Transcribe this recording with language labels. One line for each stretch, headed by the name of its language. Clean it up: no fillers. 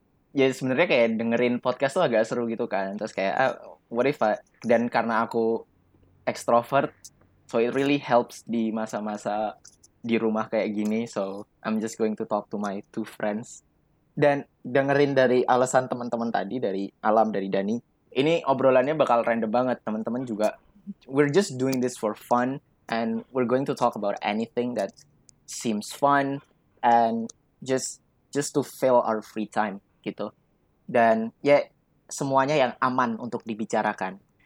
Indonesian: Ya sebenarnya kayak dengerin podcast tuh agak seru gitu kan. Terus kayak
English: what if I?
Indonesian: Dan karena aku extrovert,
English: so it really helps
Indonesian: di masa-masa di rumah kayak gini.
English: So I'm just going to talk to my two friends.
Indonesian: Dan dengerin dari alasan teman-teman tadi dari Alam, dari Dani. Ini obrolannya bakal random banget, teman-teman juga.
English: We're just doing this for fun. And we're going to talk about anything that seems fun and just to fill our free time, gitu.
Indonesian: Dan, yeah, semuanya yang aman untuk dibicarakan.